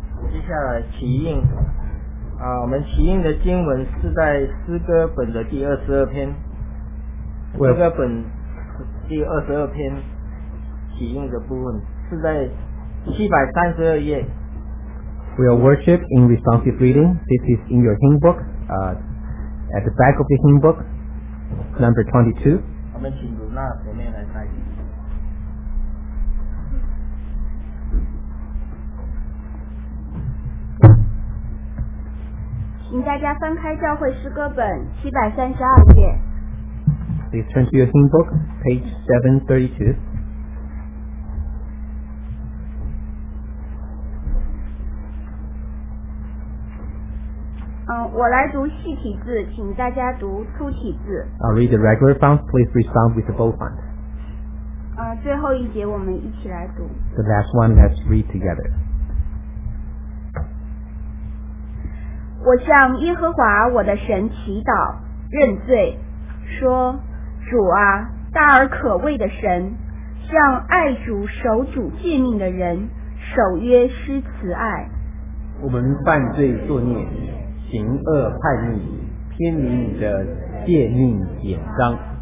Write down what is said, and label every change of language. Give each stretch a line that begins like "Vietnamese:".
Chinese: 接下来起应啊，我们起应的经文是在诗歌本的第二十二篇，诗歌本第二十二篇起应的部分是在732页。
English: We'll worship in responsive reading. This is in your hymn book, at the back of the hymn book, number 22.
Chinese: 我们请读那前面来翻译。请大家翻开教会诗歌本732页。
English: Please turn to your hymn book, page 732.
Chinese: 我来读细体字，请大家读粗体字。
English: I'll read the regular font. Please respond with the bold font.
Chinese: 最后一节我们一起来读。
English: The last one, let's read together.
Chinese: 我向耶和华我的神祈祷，认罪，说：主啊，大而可畏的神，向爱主、守主诫命的人，守约施慈爱。我们犯罪作孽，行恶叛逆，偏离你的诫命典章。